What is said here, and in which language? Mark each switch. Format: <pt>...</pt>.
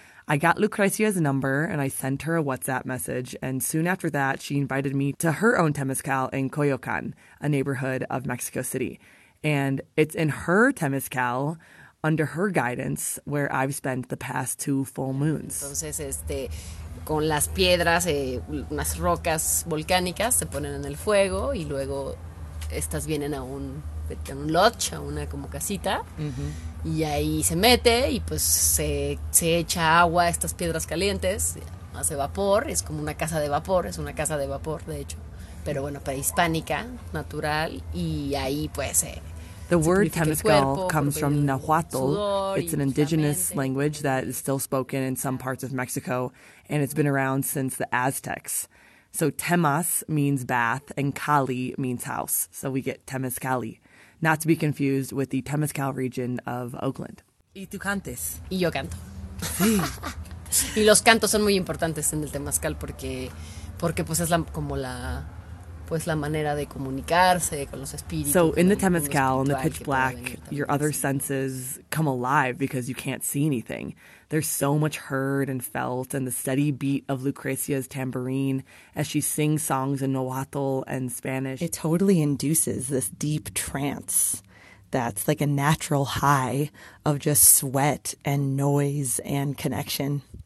<en>I got Lucrecia's number and I sent her a WhatsApp message, and soon after that, she invited me to her own temezcal in Coyoacán, a neighborhood of Mexico City. And it's in her temezcal, under her guidance, where I've spent the past two full moons.</en> <es>Entonces, con las piedras, unas rocas volcánicas se ponen en el fuego y luego estas vienen a un lodge, a una como casita, mm-hmm. y ahí se mete y pues se echa agua a estas piedras calientes, hace vapor, es como una casa de vapor, es una casa de vapor, de hecho, pero bueno, prehispánica, natural, y ahí pues...</es> <en>The word temezcal comes from Nahuatl. It's an indigenous language that is still spoken in some parts of Mexico, and it's been around since the Aztecs. So temas means bath, and cali means house. So we get temezcali, not to be confused with the temezcal region of Oakland.</en> <es>¿Y tú cantes? Y yo canto. Sí. Y los cantos son muy importantes en el temezcal porque pues es la, como la... pues la manera de comunicarse con los espíritus.</es> <en>So in the temezcal, in the pitch black, your other senses come alive because you can't see anything. There's so much heard and felt, and the steady beat of Lucrecia's tambourine as she sings songs in Nahuatl and Spanish. It totally induces this deep trance that's like a natural high of just sweat and noise and connection.</en>